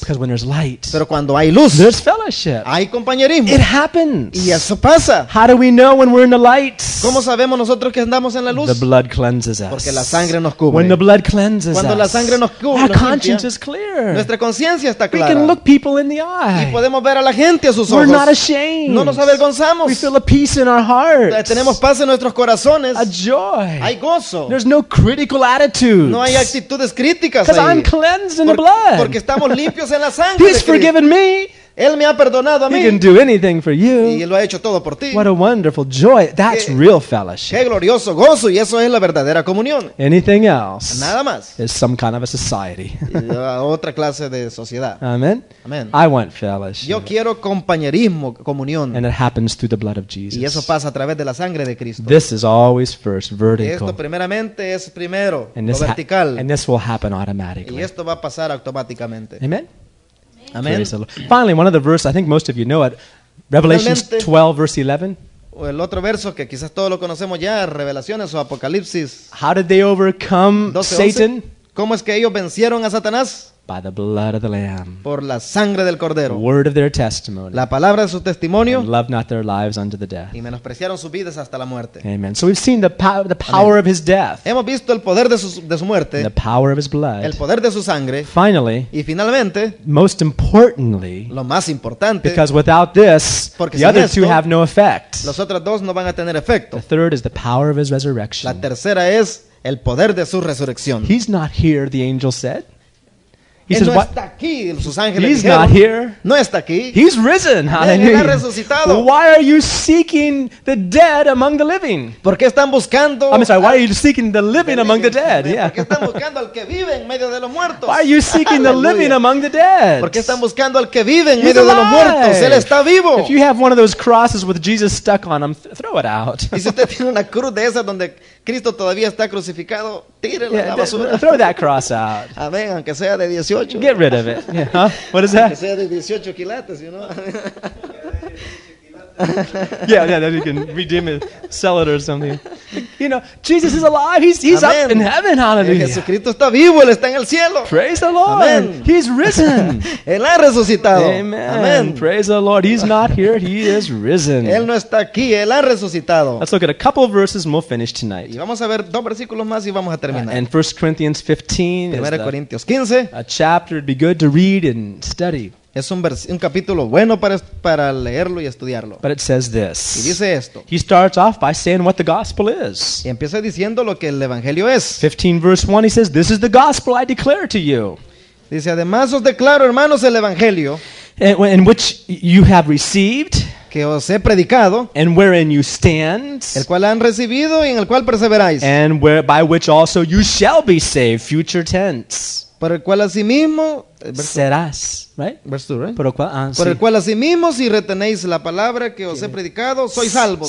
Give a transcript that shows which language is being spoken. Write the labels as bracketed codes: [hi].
[en] Because when there's light. [es] Pero cuando hay luz. [en] There's fellowship. [es] Hay compañerismo. [en] It happens. [es] Y eso pasa. [en] How do we know when we're in the light? [es] ¿Cómo sabemos nosotros que andamos en la luz? [en] The blood cleanses us. [es] Porque la sangre nos cubre. [en] When the blood cleanses us. [es] Cuando la sangre nos cubre. [en] Our conscience is clear. [es] Nuestra conciencia está clara. [en] We can look people in the eye. [es] Y podemos ver a la gente a sus ojos. [en] We're not ashamed. [es] No nos avergonzamos. [en] We feel a peace in our hearts. [es] Tenemos paz en nuestros corazones. [en] A joy. [es] Hay gozo. [en] There's no critical attitude. [es] No hay actitudes críticas. [en] Because I'm cleansed in the blood. [es] Porque estamos limpios en la sangre. [en] He's forgiven me. [es] Él me ha perdonado a mí. [en] He can do anything for you. [es] Y lo ha hecho todo por ti. [en] What a wonderful joy. That's real fellowship. [es] Qué glorioso gozo. Y eso es la verdadera comunión. [en] Anything else. [es] Nada más. [en] Is some kind of a society. [es] Otra clase de sociedad. [en] Amen. [es] Amen. [en] I want fellowship. [es] Yo quiero compañerismo, comunión. [en] And it happens through the blood of Jesus. [es] Y eso pasa a través de la sangre de Cristo. [en] This is always first, vertical. [es] Esto primeramente es primero, [en] and this vertical. And this will happen automatically. [es] Y esto va a pasar automáticamente. [en] Amen. [es] Amen. [en] Praise the Lord. Finally, one of the verses, I think most of you know it, Revelation 12, verse 11. [es] El otro verso que quizás todos lo conocemos ya, Revelaciones o Apocalipsis. [en] How did they overcome 12, Satan? [es] ¿Cómo es que ellos vencieron a Satanás? [en] By the blood of the Lamb. [es] Por la sangre del Cordero. [en] Word of their testimony. [es] La palabra de su testimonio. [en] And loved not their lives unto the death. [es] Y menospreciaron sus vidas hasta la muerte. [en] Amen. So we've seen the power Amen. Of his death. [es] Hemos visto el poder de su muerte. [en] The power of his blood. [es] El poder de su sangre. [en] Finally. [es] Y finalmente. [en] Most importantly. [es] Lo más importante. [en] Because without this, [es] porque [en] the [es] sin [en] other [es] esto, [en] two have no effect. [es] Los otros dos no van a tener efecto. [en] The third is the power of his resurrection. [es] La tercera es el poder de su resurrección. [en] He's not here, the angel said. He says, "What? [es] Está aquí, sus ángeles [en] He's [es] dijeron, [en] not here. [es] No está aquí. [en] He's risen. Hallelujah. Why are you seeking the dead among the living? [es] ¿Por qué están buscando [en] I'm sorry, why are you seeking the living among the dead? Yeah. [es] ¿Por qué están buscando al que vive en medio de los muertos? [en] Why are you seeking the living among the dead? [es] ¿Por qué están buscando al que vive en medio de los muertos? Él está vivo. [en] If you have one of those crosses with Jesus stuck on them, throw it out. [es] Y si usted tiene una cruz de esa donde Cristo todavía está crucificado, tírela a la basura. [en] Throw that cross out. [es] Amén, aunque sea de 18. [en] Get rid of it. Yeah. Huh? What is that? [es] Que sea de 18 quilates, [en] you know? Yeah, then you can redeem it, sell it or something. You know, Jesus is alive. He's Amen. Up in heaven. Hallelujah. [es] Jesucristo está vivo. Él está en el cielo. [en] Praise the Lord. Amen. He's risen. [es] Él ha resucitado. [en] Amen. Amen. Praise the Lord. He's not here. He is risen. [es] Él no está aquí. Él ha resucitado. [en] Let's look at a couple of verses and we'll finish tonight. [es] Y vamos a ver dos versículos más y vamos a terminar. [en] And 1 Corinthians 15. [es] Primera Corintios 15. [en] A chapter it'd be good to read and study. [es] Es un capítulo bueno para leerlo y estudiarlo. [en] But it says this. [es] Y dice esto. [en] He starts off by saying what the gospel is. [es] Y empieza diciendo lo que el evangelio es. [en] 15 verse 1, he says, "This is the gospel I declare to you." [es] Dice, "Además os declaro, hermanos, el evangelio [en] in which you have received, [es] que os he predicado, [en] and wherein you stand, [es] el cual han recibido y en el cual perseveráis, [en] and where, by which also you shall be saved, future tense." [es] Por el cual asimismo serás, [en] right? Verse 2, right? [es] Por el cual asimismo si retenéis la palabra que os he predicado, sois salvos.